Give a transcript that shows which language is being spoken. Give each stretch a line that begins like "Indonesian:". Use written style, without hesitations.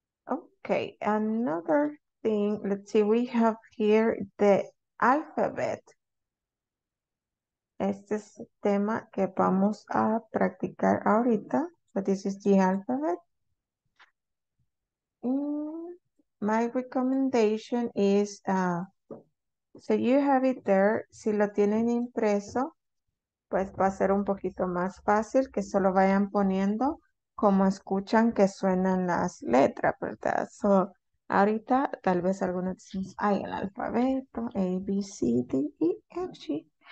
English: Okay, another thing, let's see, we have here the alphabet.
Spanish: Este es el tema que vamos a practicar ahorita.
English: So this is the alphabet. My recommendation is, so you have it there.
Spanish: Si lo tienen impreso, pues va a ser un poquito más fácil que solo vayan poniendo como escuchan que suenan las letras, ¿verdad? So, ahorita tal vez algunos dicen, ay, el alfabeto, A, B, C, D, E, F, G.